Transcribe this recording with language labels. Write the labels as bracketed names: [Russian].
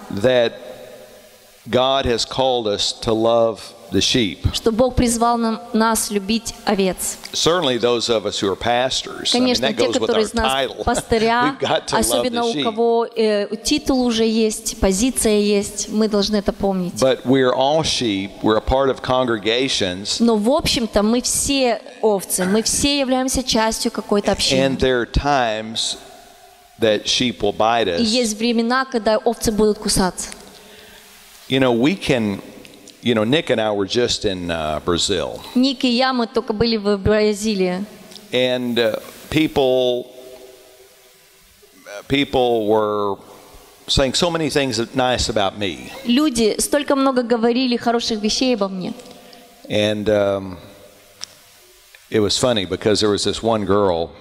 [English] That God has called us to love the sheep. [Russian] Что Бог призвал нас любить овец. [English] Certainly those of us who are pastors. [Russian] Конечно, [English] I mean, that [Russian] те, [English] goes with our title. [Russian] Пастыря, [English] we've got to [Russian] особенно [English] love the sheep. [Russian] У кого титул уже есть, позиция есть, мы должны это помнить. [English] But we're all sheep, we're a part of congregations. [Russian] Но в общем-то мы все овцы, мы все являемся частью какой-то общины. [English] And there are times that sheep will bite us. [Russian] Есть времена, когда овцы будут кусаться. [English] You know, we can, you know, Nick and I were just in Brazil. [Russian] Nick и я, мы только были в Бразилии. [English] And people were saying so many things nice about me. [Russian] Люди столько много говорили хороших вещей обо мне. [English] And it was funny because there was this one girl.